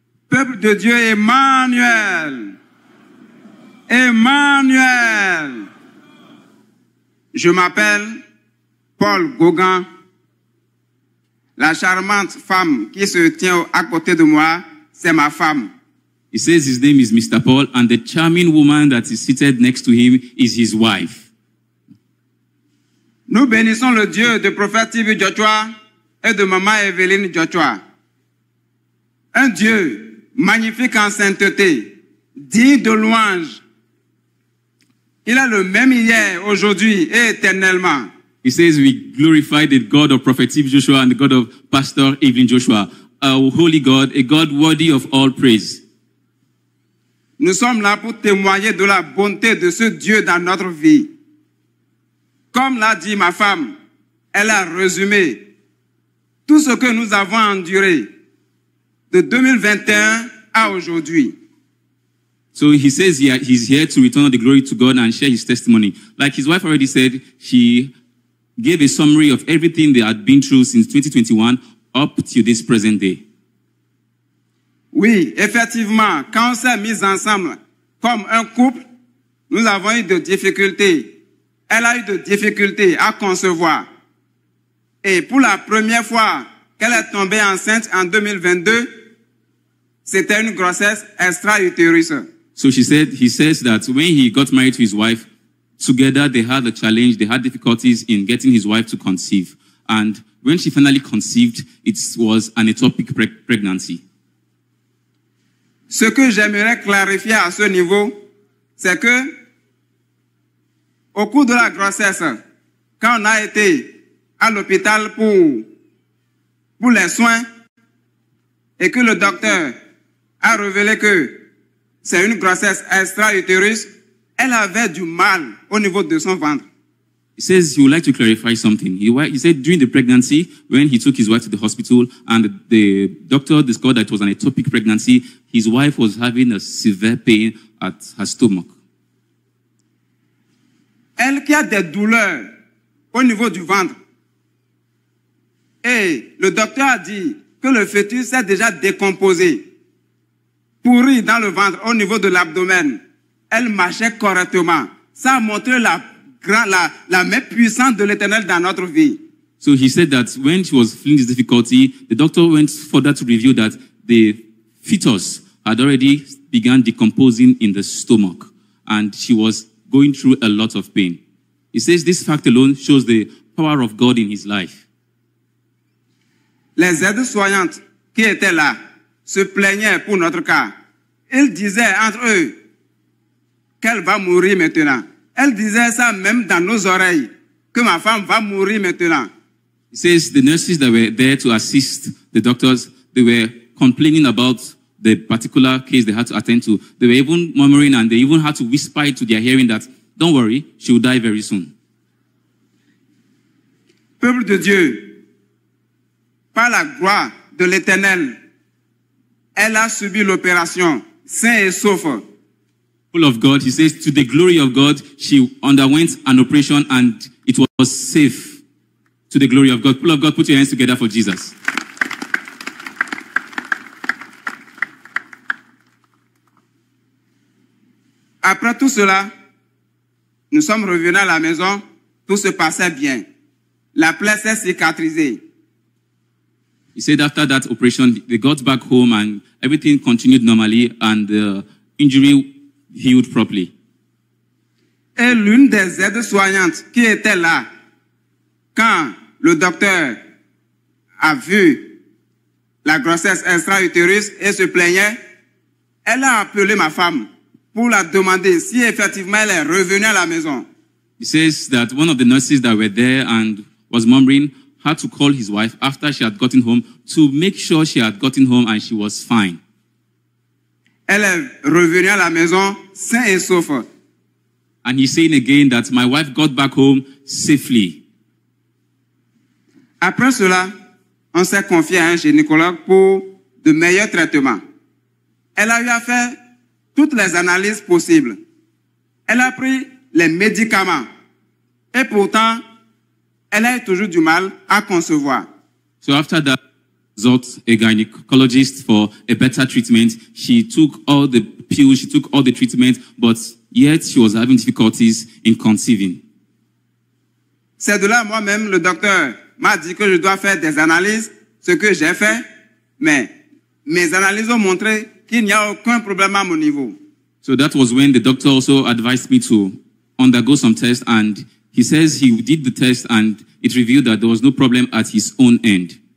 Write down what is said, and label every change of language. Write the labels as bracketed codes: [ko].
[fr] Peuple de Dieu, Emmanuel! Emmanuel! Je m'appelle Paul Gauguin. La charmante femme qui se tient à côté de moi, c'est ma femme. [en] He says his name is Mr. Paul and the charming woman that is seated next to him is his wife. [fr] Nous bénissons le Dieu de prophète TV Joshua et de maman Evelyn Joshua. Un Dieu magnifique en sainteté, digne de louange. Il est le même hier, aujourd'hui et éternellement. [en] He says we glorify the God of Prophet Joshua and the God of Pastor Evelyn Joshua, a holy God, a God worthy of all praise. [fr] Nous sommes là pour témoigner de la bonté de ce Dieu dans notre vie. Comme l'a dit ma femme, elle a résumé tout ce que nous avons enduré de 2021 à aujourd'hui. [en] So he says he's here to return the glory to God and share his testimony. Like his wife already said, she gave a summary of everything they had been through since 2021 up to this present day. [fr] Oui, effectivement, quand on s'est mis ensemble comme un couple, nous avons eu des difficultés. Elle a eu des difficultés à concevoir. Et pour la première fois qu'elle est tombée enceinte en 2022, c'était une grossesse extra-utérine. [en] So she said, he says that when he got married to his wife, together they had a challenge, they had difficulties in getting his wife to conceive. And when she finally conceived, it was an ectopic pregnancy. [fr] Ce que j'aimerais clarifier à ce niveau, c'est que au cours de la grossesse, quand on a été à l'hôpital pour les soins et que le docteur a révélé que c'est une grossesse extra-utérine, elle avait du mal au niveau de son ventre. [en] He says he would like to clarify something. He said during the pregnancy, when he took his wife to the hospital and the doctor discovered that it was an ectopic pregnancy, his wife was having a severe pain at her stomach. [fr] Elle qui a des douleurs au niveau du ventre. Et le docteur a dit que le fœtus s'est déjà décomposé, pourri dans le ventre au niveau de l'abdomen. Elle marchait correctement. Ça a montré la main puissante de l'Éternel dans notre vie. [en] So he said that when she was feeling this difficulty, the doctor went further to reveal that the fetus had already began decomposing in the stomach and she was going through a lot of pain. He says this fact alone shows the power of God in his life. [fr] Les aides-soignantes qui étaient là se plaignaient pour notre cas. Ils disaient entre eux qu'elle va mourir maintenant. Elle disait ça même dans nos oreilles, que ma femme va mourir maintenant. [en] He says the nurses that were there to assist the doctors, they were complaining about the particular case they had to attend to. They were even murmuring and they even had to whisper it to their hearing that, don't worry, she will die very soon. [fr] peuple de Dieu, par la gloire de l'Éternel, elle a subi l'opération, sain et sauf. [en] Full of God, he says, to the glory of God, she underwent an operation and it was safe. To the glory of God. Full of God, put your hands together for Jesus. [fr] Après tout cela, nous sommes revenus à la maison. Tout se passait bien. La plaie s'est cicatrisée. [en] He said after that operation, they got back home and everything continued normally and the injury healed properly. [fr] Et l'une des aides-soignantes qui était là, quand le docteur a vu la grossesse extra-utérus et se plaignait, elle a appelé ma femme pour la demander si effectivement elle est revenue à la maison. [en] He says that one of the nurses that were there and was murmuring had to call his wife after she had gotten home to make sure she had gotten home and she was fine. [fr] Elle est revenue à la maison sain et sauf. [en] And he's saying again that my wife got back home safely. [fr] Après cela, on s'est confié à un gynécologue pour de meilleurs traitements. Elle a eu à faire toutes les analyses possibles. Elle a pris les médicaments. Et pourtant, elle a toujours du mal à concevoir. [en] So after that, sought a gynecologist for a better treatment. She took all the pills, she took all the treatments, but yet she was having difficulties in conceiving. [fr] C'est de là moi-même, le docteur m'a dit que je dois faire des analyses, ce que j'ai fait, mais mes analyses ont montré qu'il n'y a aucun problème à mon niveau. [en] So that was when the doctor also advised me to undergo some tests, and he says he did the test and it revealed that there was no problem at his own end.